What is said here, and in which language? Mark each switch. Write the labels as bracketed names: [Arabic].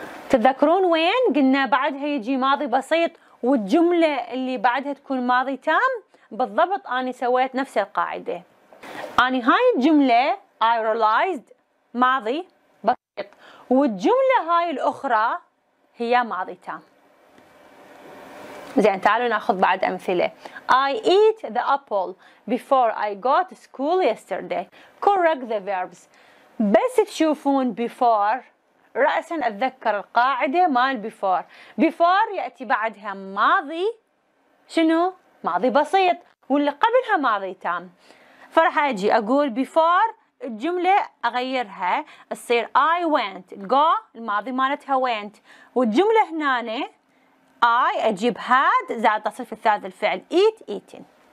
[Arabic] تذكرون وين قلنا بعدها يجي ماضي بسيط والجمله اللي بعدها تكون ماضي تام؟ بالضبط اني سويت نفس القاعده. اني هاي الجمله [English] I realized [Arabic] ماضي بسيط والجمله هاي الاخرى هي ماضي تام. زين تعالوا ناخذ بعد أمثلة. [English] I eat the apple before I go to school yesterday. Correct the verbs. [Arabic] بس تشوفون before رأسا أتذكر القاعدة مال before. before يأتي بعدها ماضي شنو؟ ماضي بسيط واللي قبلها ماضي تام. فرح أجي أقول before الجملة أغيرها تصير [English] I went go [Arabic] الماضي مالتها went والجملة هنا I أجيب had زائد تصريف الثالث الفعل eat eating.